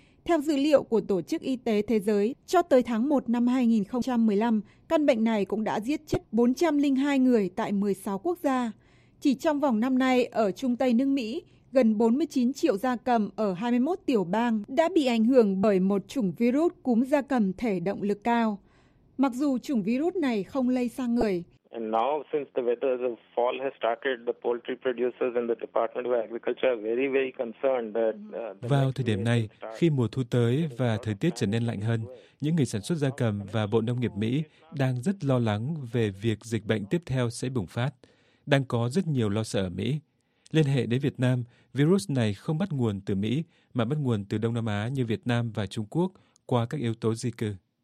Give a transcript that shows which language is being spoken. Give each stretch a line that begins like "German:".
Vietnamese: Theo dữ liệu của Tổ chức Y tế Thế giới, cho tới tháng 1 năm 2015, căn bệnh này cũng đã giết chết 402 người tại 16 quốc gia. Chỉ trong vòng năm nay, ở Trung Tây nước Mỹ, gần 49 triệu gia cầm ở 21 tiểu bang đã bị ảnh hưởng bởi một chủng virus cúm gia cầm thể động lực cao. Mặc dù chủng virus này không lây sang người.
English: And now since the weather of fall has started, the poultry producers and the Department of Agriculture are very, very concerned that.
Vietnamese: Vào thời điểm này, khi mùa thu tới và thời tiết trở nên lạnh hơn, những người sản xuất gia cầm và Bộ Nông nghiệp Mỹ đang rất lo lắng về việc dịch bệnh tiếp theo sẽ bùng phát. Đang có rất nhiều lo sợ ở Mỹ. Liên hệ đến Việt Nam, virus này không bắt nguồn từ Mỹ mà bắt nguồn từ Đông Nam Á như Việt Nam và Trung Quốc qua các yếu tố di cư.